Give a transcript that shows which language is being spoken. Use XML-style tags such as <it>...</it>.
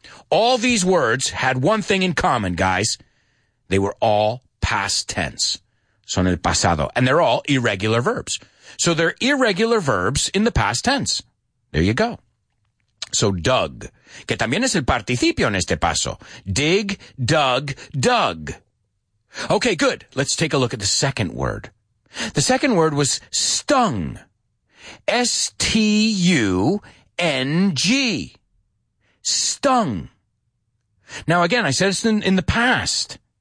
<en>All these words had one thing in common, guys. They were all past tense. Son el pasado. And they're all irregular verbs. So they're irregular verbs in the past tense. There you go. So dug.</en> <es>Que también es el participio en este paso.</es> <en>Dig, dug, dug. Okay, good. Let's take a look at the second word. The second word was stung. S-T-U-N-G. Stung. Now again, I said it's in the past.</en>